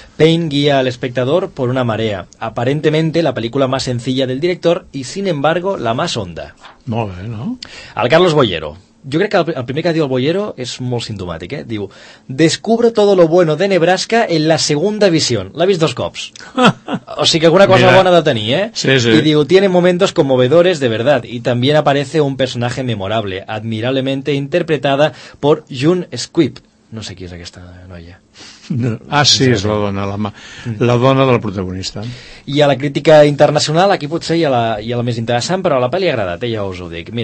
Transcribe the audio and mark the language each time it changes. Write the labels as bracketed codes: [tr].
[es] Payne guía al espectador por una marea, aparentemente la película más sencilla del director y sin embargo la más honda. [ca] Molt bé, no? Al Carlos Boyero. Jo crec que el primer que diu el Boyero és molt sintomàtic, eh? [es] Diu, descubro todo lo bueno de Nebraska en la segunda visión. [ca] L'ha vist dos cops. O sigui que alguna cosa bona de tenir, eh? Sí, sí. [es] I diu, tiene momentos conmovedores de verdad y también aparece un personaje memorable, admirablemente interpretada por June Squibb. [ca] No sé qui és aquesta noia. No. Ah, sí, és la dona, la dona del protagonista. I a la crítica internacional, aquí potser hi ha la més interessant, però la pel·li ha agradat, ja us ho dic.